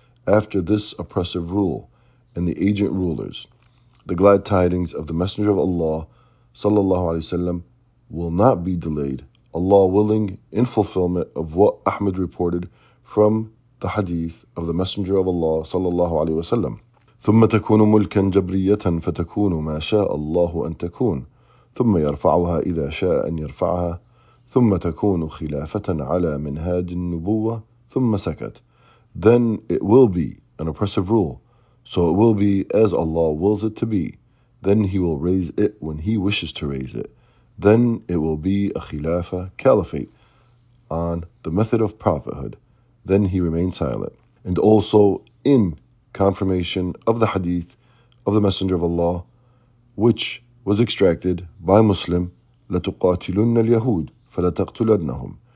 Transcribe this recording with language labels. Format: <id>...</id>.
<en>After this oppressive rule and the agent rulers, the glad tidings of the Messenger of Allah, Sallallahu Alaihi Wasallam, will not be delayed. Allah willing, in fulfillment of what Ahmed reported from the hadith of the Messenger of Allah, Sallallahu Alaihi Wasallam.</en> <ar>ثم تكون ملكا جبرية فتكون ما شاء الله أن تكون ثم يرفعها إذا شاء أن يرفعها ثم تكون خلافة على منهاج النبوة ثم سكت.</ar> <en>Then it will be an oppressive rule, so it will be as Allah wills it to be. Then He will raise it when He wishes to raise it. Then it will be a khilafa, caliphate, on the method of prophethood. Then He remained silent. And also in confirmation of the hadith of the Messenger of Allah, which was extracted by Muslim,</en> <ar>لَتُقَاتِلُنَّ الْيَهُودِ فَلَتَقْتُلَنَّهُمْ.</ar>